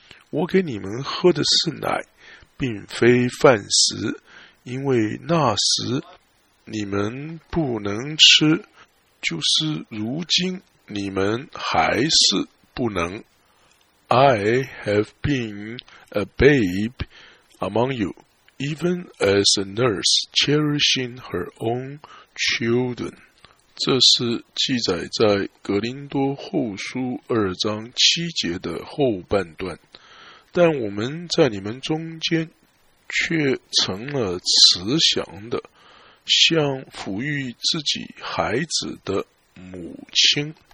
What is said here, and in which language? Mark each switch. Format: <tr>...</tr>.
<zh>我给你们喝的是奶并非饭食，因为那时你们不能吃，就是如今你们还是不能。</zh> <en>I have been a babe among you, even as a nurse cherishing her own children.</en> <zh>这是记载在格林多后书二章七节的后半段。但我们在你们中间却成了慈祥的，像抚育自己孩子的母亲。</zh>